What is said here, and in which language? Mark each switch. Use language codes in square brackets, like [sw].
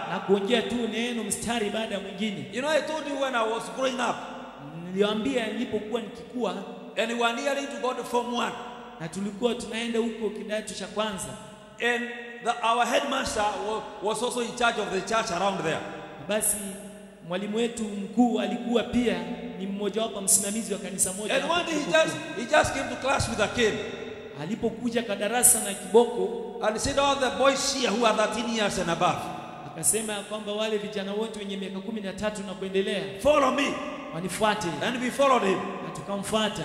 [sw] Na kuongea tu neno mstari baada ya mwingine. [en] You know, I told you when I was growing up. [sw] Niliwaambia nilipokuwa nikikua. [en] And we are nearing to go to form one. [sw] Na tulikuwa tunaenda huko kidato cha kwanza. [en] And our headmaster was also in charge of the church around there. [sw] Basi mwalimu wetu mkuu alikuwa pia ni mmoja wapo msimamizi wa kanisa moja. [en] And one day he just came to class with a kid. [sw] Alipokuja kwa darasa na kiboko. [en] And said all the boys here who are 13 years and above. [sw] Akasema kwamba wale vijana wote wenye miaka 13 na kuendelea. [en] Follow me. [sw] Wanifuate. [en] And we followed him. [sw] Na tukamfuata.